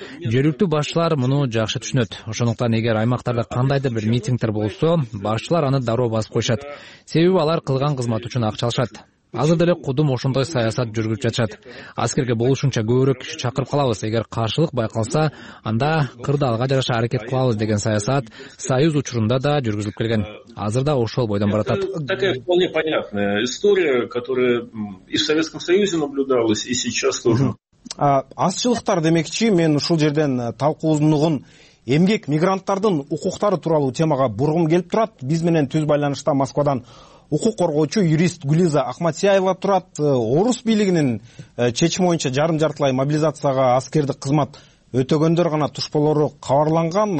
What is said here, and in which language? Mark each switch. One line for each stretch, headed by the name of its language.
Kyrgyz: Жергиликтүү башчылар муну жакшы түшүнөт. Ошондуктан эгер аймактарда кандайдыр бир митингдер болсо, башчылар аны дароо басып коюшат. Себеби алар кылган кызмат үчүн акча алышат. Азыр деле кудум ошондой саясат жүргүзүп жатышат. Аскерге болушунча көбүрөөк киши чакырып калабыз. Эгер каршылык байкалса, анда кырдаалга жараша аракет кылабыз деген саясат союз учурунда да жүргүзүлүп келген. Азыр да ошол бойдон баратат.
Russian: Такая вполне понятная история, которая и в Советском Союзе наблюдалась, и сейчас тоже.
Kyrgyz: Азчылыктар демекчи, мен ушул жерден талкуунугун эмгек мигранттардын укуктары тууралуу темага бургум келип турат. Биз менен түз байланышта Москвадан укук коргоочу юрист Гулиза Ахматсияева турат. Орус бийлигинин чечими боюнча жарым жартылай мобилизацияга аскердик кызмат өтөгөндөр гана тушпалору кабарланган.